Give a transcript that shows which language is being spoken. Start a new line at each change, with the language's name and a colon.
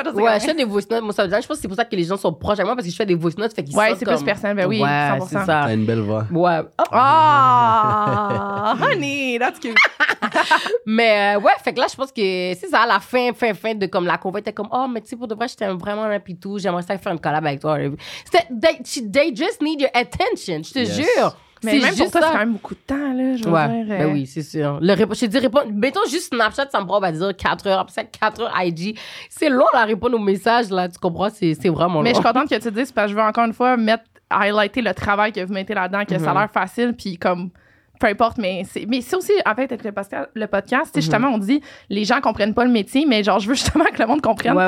French: Ouais, je fais des voice notes. Moi, ça veut dire, je pense que c'est pour ça que les gens sont proches à moi parce que je fais des voice notes. Fait qu'ils ouais, c'est comme... plus personnel. Ben oui, ouais, 100%. C'est ça. T'as une belle voix. Ouais.
English: Oh, oh honey, that's cute.
French: Mais ouais, fait que là, je pense que c'est ça, la fin de comme la convoi était comme, oh, mais tu sais, pour de vrai, je t'aime vraiment, et puis tout, j'aimerais ça faire une collab avec toi. C'était,
English: they just need your attention,
French: je te jure. Mais c'est même pour toi, c'est quand même beaucoup de temps, là, je ouais. dirais. Ben oui, c'est sûr. J'ai dit répondre, mettons juste Snapchat, ça me prend, on va dire, 4 heures, après ça, 4 heures IG. C'est long, là, répondre aux messages, là, tu comprends, c'est vraiment long. Mais je suis contente que tu dises, parce que je veux encore une fois highlighter le travail que vous mettez là-dedans, que ça a l'air facile, puis comme, peu importe, mais c'est aussi, en fait, avec le podcast, justement, on dit, les gens comprennent pas le métier, mais genre, je veux justement que le monde comprenne.